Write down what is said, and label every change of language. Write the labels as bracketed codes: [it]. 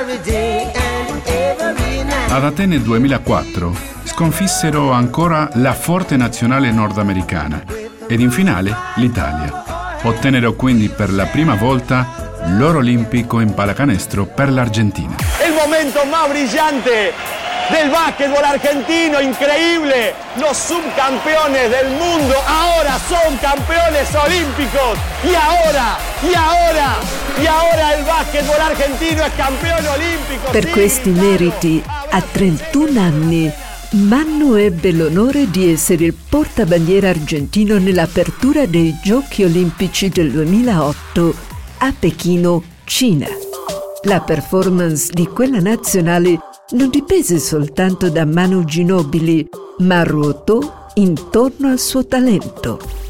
[it] Ad Atene 2004 sconfissero ancora la forte nazionale nordamericana ed in finale l'Italia. Ottennero quindi per la prima volta l'oro olimpico in pallacanestro per l'Argentina. Il momento più brillante del basketball argentino, incredibile! [es] Los subcampeones del mundo ahora son campeones olímpicos! Y ahora el basketball argentino es campeón olímpico! [it] Per questi meriti, a 31 anni, Manu ebbe l'onore di essere il portabandiera argentino nell'apertura dei Giochi Olimpici del 2008 a Pechino, Cina. La performance di quella nazionale non dipese soltanto da Manu Ginobili, ma ruotò intorno al suo talento.